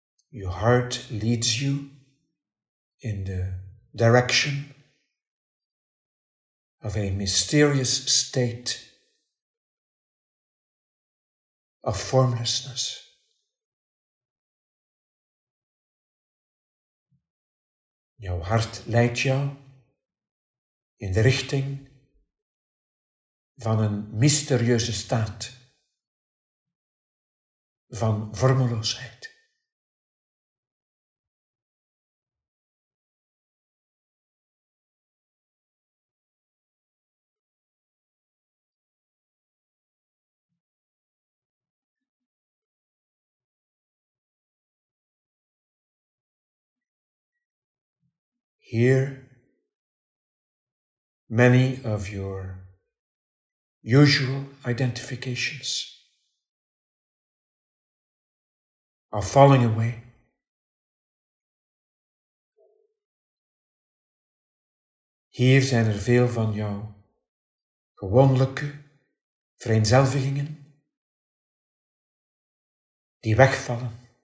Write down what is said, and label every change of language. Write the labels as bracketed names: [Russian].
[English] Your heart leads you in the direction of a mysterious state of formlessness. [Dutch] Jouw hart leidt jou in de richting van een mysterieuze staat van vormeloosheid. [English] Here, many of your usual identifications are falling away. [Dutch] Hier zijn er veel van jouw gewoonlijke vereenzelvigingen die wegvallen.